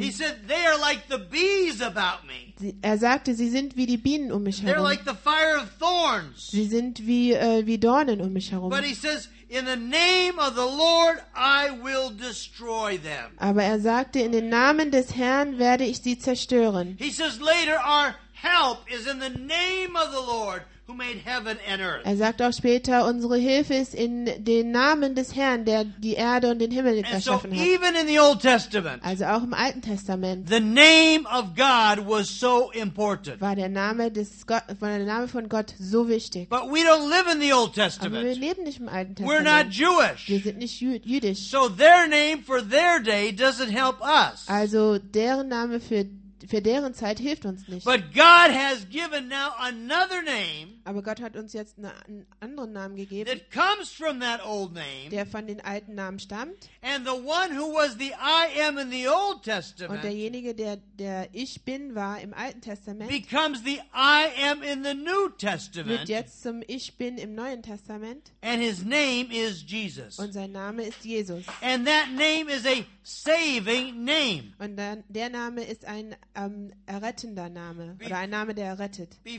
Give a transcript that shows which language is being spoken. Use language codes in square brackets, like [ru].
[en] He said, they are like the bees about me. [de] Er sagte, sie sind wie die Bienen um mich herum. [en] They're like the fire of thorns. [de] Sie sind wie Dornen um mich herum. [en] But he says, in the name of the Lord, I will destroy them. [de] Aber er sagte, in den Namen des Herrn werde ich sie zerstören. [en] He says later, our help is in the name of the Lord. Who made heaven and earth. [de] Er sagt auch später, unsere Hilfe ist in den Namen des Herrn, der die Erde und den Himmel erschaffen hat. [en] Even in the Old Testament, [de] also auch im Alten Testament, [en] the name of God was so important. [de] War der Name von Gott so wichtig. [en] But we don't live in the Old Testament. [de] Aber wir leben nicht im Alten Testament. [en] We're not Jewish. [de] Wir sind nicht jüdisch. [en] So their name for their day doesn't help us. [de] Also deren Name für deren Zeit hilft uns nicht. [en] But God has given now another name. [de] Aber Gott hat uns jetzt einen anderen Namen gegeben. [en] That comes from that old name. [de] Der von den alten Namen stammt. [en] And the one who was the I am in the Old Testament. [de] Und derjenige, der ich bin, war im Alten Testament. [en] Becomes the I am in the New Testament. [de] Wird jetzt zum Ich bin im Neuen Testament. [en] And his name is Jesus. [de] Und sein Name ist Jesus. [en] And that name is a saving name. [de] Und der Name ist ein errettender Name oder ein Name, der errettet.